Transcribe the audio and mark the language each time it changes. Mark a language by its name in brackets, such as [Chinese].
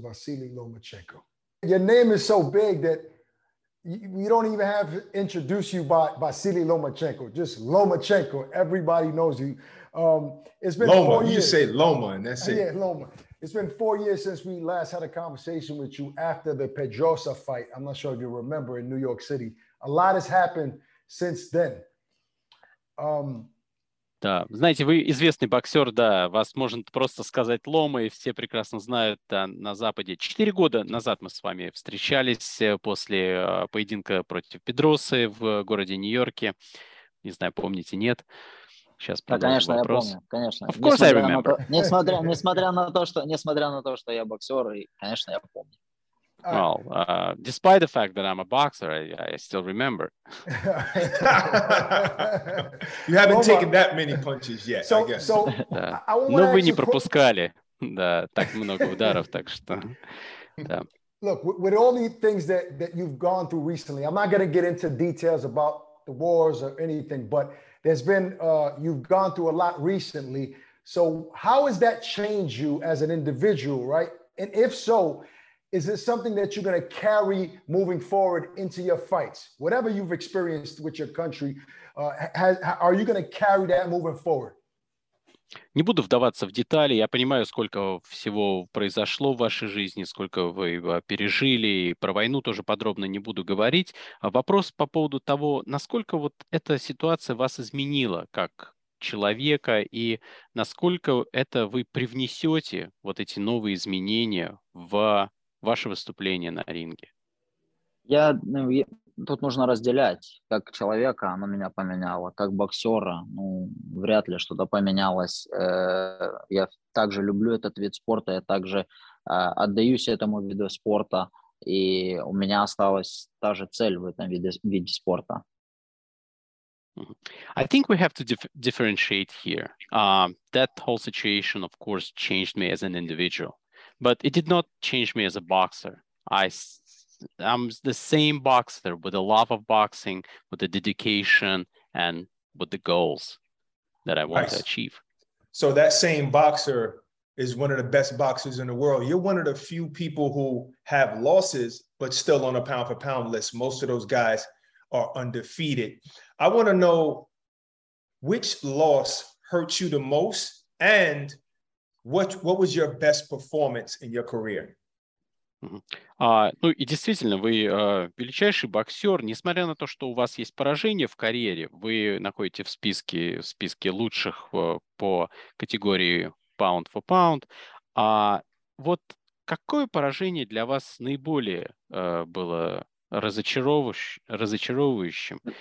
[English] Vasily Lomachenko. Your name is so big that we don't even have to introduce you by Vasily Lomachenko. Just Lomachenko. Everybody knows you. It's been Loma, 4 years. You say Loma, and that's it. Yeah, Loma. It's been 4 years since we last had a conversation with you after the Pedrosa fight. I'm not sure if you remember in New York City. A lot has happened since then. [Russian] Да, знаете, вы известный боксер, да, вас можно просто сказать Лома, и все прекрасно знают, да, на Западе. 4 года назад мы с вами встречались после поединка против Педросы в городе Нью-Йорке. Не знаю, помните, нет. Сейчас да, конечно, вопрос. Я помню, конечно. [English] Of course [Russian] несмотря [English] I remember. [Russian] Несмотря на то, что я боксер, и, конечно, я помню. [English] Well, despite the fact that I'm a boxer, I still remember. You haven't taken that many punches yet, so, I guess. So, [Russian] да. Но вы не пропускали, да, так много ударов, так что, да. [English] Look, with all the things that you've gone through recently, I'm not going to get into details about the wars or anything, but there's been, you've gone through a lot recently. So how has that changed you as an individual, right? And if so, is this something that you're going to carry moving forward into your fights? Whatever you've experienced with your country, are you going to carry that moving forward? [Russian] Не буду вдаваться в детали. Я понимаю, сколько всего произошло в вашей жизни, сколько вы пережили. Про войну тоже подробно не буду говорить. Вопрос по поводу того, насколько вот эта ситуация вас изменила как человека, и насколько это вы привнесете вот эти новые изменения в ваше выступление на ринге? Я, ну, тут нужно разделять. Как человека оно меня поменяло, как боксера, ну, вряд ли что-то поменялось. Я также люблю этот вид спорта, я также отдаюсь этому виду спорта, и у меня осталась та же цель в этом виде спорта. [English] I think we have to differentiate here. That whole situation, of course, changed me as an individual. But it did not change me as a boxer. I'm the same boxer with the love of boxing, with the dedication, and with the goals that I want to achieve. So that same boxer is one of the best boxers in the world. You're one of the few people who have losses, but still on a pound-for-pound list. Most of those guys are undefeated. I want to know which loss hurts you the most, and What was your best performance in your career? [Russian] Ну и действительно, вы величайший боксер, несмотря на то, что у вас есть поражение в карьере, вы находитесь в списке лучших по категории pound for pound. А вот какое поражение для вас наиболее было разочаровывающим?